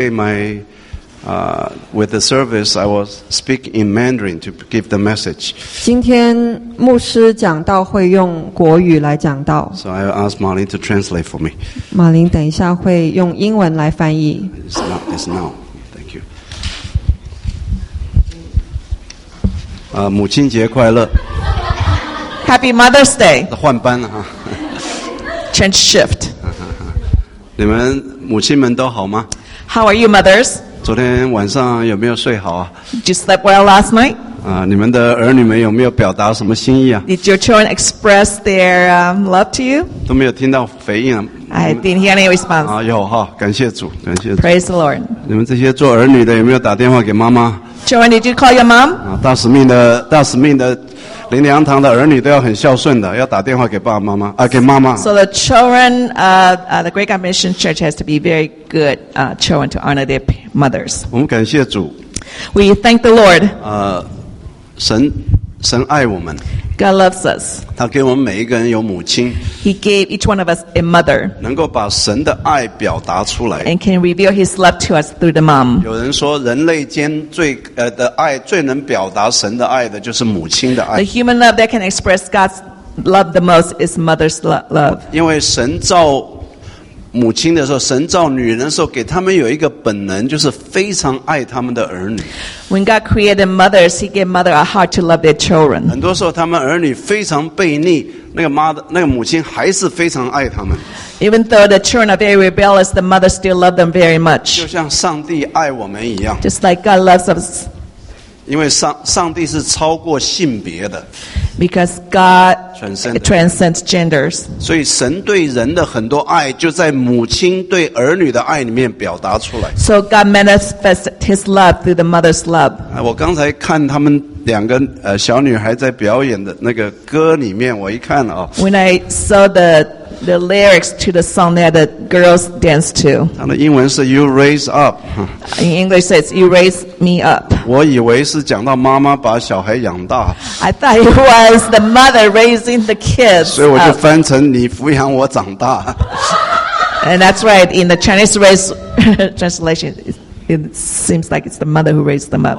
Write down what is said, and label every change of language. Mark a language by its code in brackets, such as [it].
[en] In my with the service, I was speaking in Mandarin to give the message. [zh] 今天牧师讲道会用国语来讲道。 [en] So I asked Marlin to translate for me. [zh] 马林等一下会用英文来翻译。 [en] It's now. Thank you. [zh] 母亲节快乐。 [en] Happy Mother's Day. [zh] 换班了哈。 [en] Change shift. [zh] 你们母亲们都好吗？ [en] How are you, mothers? [zh] 昨天晚上有没有睡好啊？ [en] Did you sleep well last night? [zh] 你们的儿女们有没有表达什么心意啊？ [en] Did your children express their love to you? [zh] 都没有听到回应啊。 [en] I didn't hear any response. [zh] 有哈，感谢主，感谢主。 [en] Praise the Lord. [zh] 你们这些做儿女的有没有打电话给妈妈？ [en] Children, did you call your mom? [zh] 大使命的灵粮堂的儿女都要很孝顺的，要打电话给爸爸妈妈啊，给妈妈。 [en] So the children, the Great Commission Church has to be very good, children to honor their mothers. [zh] 我们感谢主。 [en] We thank the Lord. [zh] 神爱我们。 [en] God loves us. [zh] 他给我们每一个人有母亲。 [en] He gave each one of us a mother. [zh] 能够把神的爱表达出来。 [en] And can reveal His love to us through the mom. [zh] 有人说，人类间的爱最能表达神的爱的，就是母亲的爱。 [en] The human love that can express God's love the most is mother's love. [zh] 因为神造母亲的时候，神造女人的时候，给他们有一个本能，就是非常爱他们的儿女。 [en] When God created mothers, He gave mother a heart to love their children. [zh] 很多时候，他们儿女非常悖逆，那个母亲还是非常爱他们。 [en] Even though the children are very rebellious, the mother still loves them very much. [zh] 就像上帝爱我们一样。 [en] Just like God loves us. [zh] 因为上帝是超过性别的。 [en] Because God transcends genders. [zh] 所以神对人的很多爱就在母亲对儿女的爱里面表达出来。 [en] So God manifests His love through the mother's love. [zh] 我刚才看他们两个小女孩在表演的那个歌里面，我一看啊。 [en] When I saw the lyrics to the song that the girls dance to. [zh] 它的英文是 [en] You raise up. In English it says You raise me up. [zh] 我以为是讲到妈妈把小孩养大。 [en] I thought it was the mother raising the kids. [zh] 所以我就翻成你抚养我长大。 [en] And that's right, in the Chinese race translation it seems like it's the mother who raised them up.